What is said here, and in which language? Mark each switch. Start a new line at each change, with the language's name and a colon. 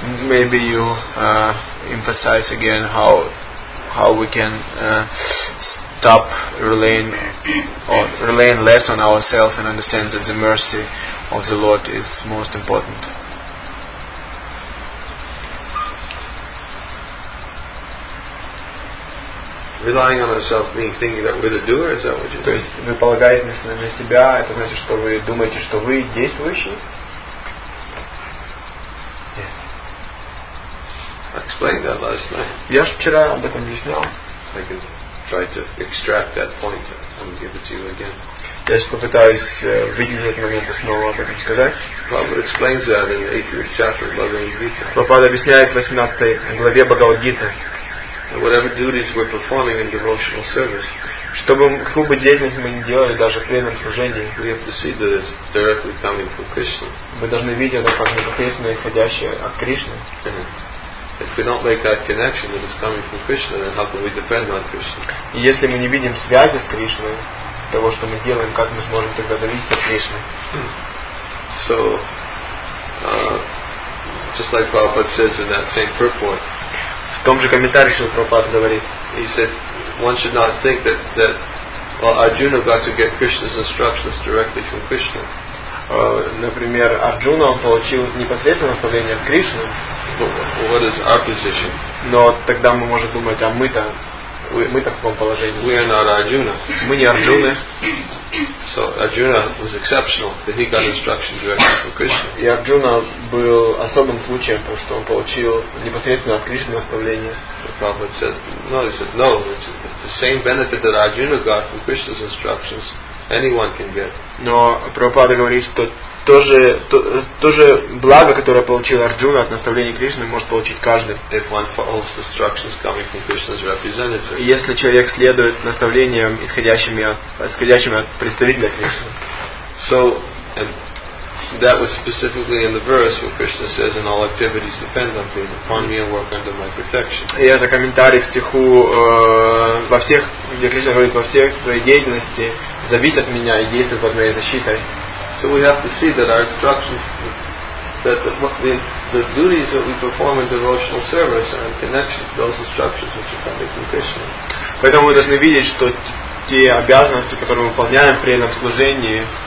English: Maybe you emphasize again how we can stop relying or relying less on ourselves and understand that the mercy of the Lord is most important. Relying on ourselves means thinking that we're the doer, is that what you mean?
Russian: То есть вы полагаетесь на себя, это значит, что вы думаете, что вы действующий?
English: Explained that last night.
Russian: Я же вчера об этом объяснял.
English: I can try to extract that point and give it to you again.
Russian: Я же попытаюсь выделить этот момент и снова об этом сказать.
English: Prabhupada explains that in the 18th chapter of Bhagavad Gita.
Russian: Prabhupada объясняет в 18 главе Бхагавад Гиты.
English: Whatever duties we're performing in devotional service.
Russian: Чтобы какую бы деятельность мы ни делали, даже при этом служении,
English: we have to see that it's directly coming from Krishna.
Russian: Мы должны видеть это как непосредственно исходящее от Кришны.
English: If we don't make that connection that is coming from Krishna, then how can we depend on Krishna?
Russian: И если мы не видим связи с Кришной, того, что мы делаем, как мы сможем тогда зависеть от Кришны?
English: So, just like Prabhupada says in that same purport,
Russian: в том же комментарии, что Прабхупада говорит,
English: he said, one should not think that well, Arjuna got to get Krishna's instructions directly from Krishna.
Russian: Например, Арджуна, он получил непосредственное наставление от Кришны.
English: What is our position?
Russian: Но тогда мы можем думать, а мы-то в каком положении?
English: We are not Arjuna.
Russian: Мы не Арджуны.
English: So Arjuna was exceptional that he got instruction directly from Krishna.
Russian: И Арджуна был особым случаем, потому что он получил непосредственно от Кришны наставление.
English: Prabhupada said, no, he said, no, the same benefit that Arjuna got from Krishna's instructions, anyone can get.
Russian: Но Прабхупада говорит, что то же благо, которое получил Арджуна от наставления Кришны, может получить каждый.
English: If one follows instructions coming from Krishna's representative.
Russian: Если человек следует наставлениям, исходящим от представителя Кришны.
English: So, and that was specifically in the verse where Krishna says, "And all activities depend on me, upon me, and work under my protection."
Russian: И это комментарий к стиху во всех, где Кришна говорит, во всех своей деятельности зависит от меня и действует под моей защитой.
English: So we have to see that our instructions, that the duties that we perform in devotional service are in connection to those instructions which are coming from Krishna.
Russian: Поэтому мы должны видеть, что те обязанности, которые мы выполняем при этом служении,